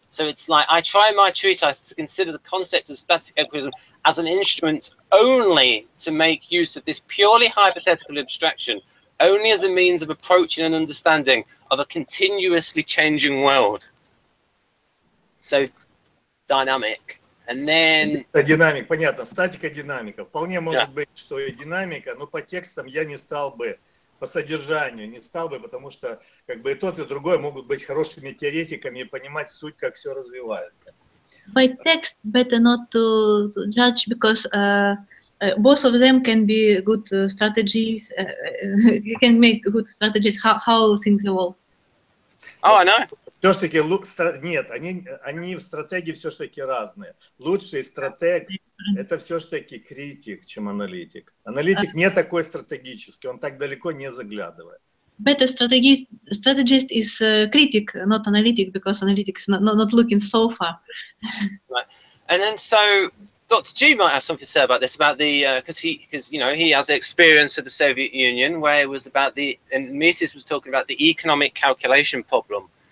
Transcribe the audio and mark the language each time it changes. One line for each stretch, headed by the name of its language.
English: So it's like, I try my treatise to consider the concept of static equilibrium as an instrument only to make use of this purely hypothetical abstraction, only as a means of approaching and understanding of a continuously changing world. So... Dynamic, and then...
Russian: Динамик, понятно, статика, динамика. Вполне может быть, что и динамика, но по текстам я не стал бы, по содержанию не стал бы, потому что как бы и тот, и другой могут быть хорошими теоретиками и понимать суть, как все развивается.
English: By text, better not to judge, because both of them can be good strategies, you can make good strategies, how things evolve. Oh, I know.
Russian: Все-таки, нет, они в стратегии все-таки разные. Лучший стратег – это все-таки критик, чем аналитик. Аналитик не такой стратегический, он так далеко не заглядывает.
English: Better strategist is critic, not analytic, because analytic is not looking so far. Right. And then, so, Dr. G might have something to say about this, about the, because you know, he has experience with the Soviet Union, where it was about the, and Mises was talking about the economic calculation problem.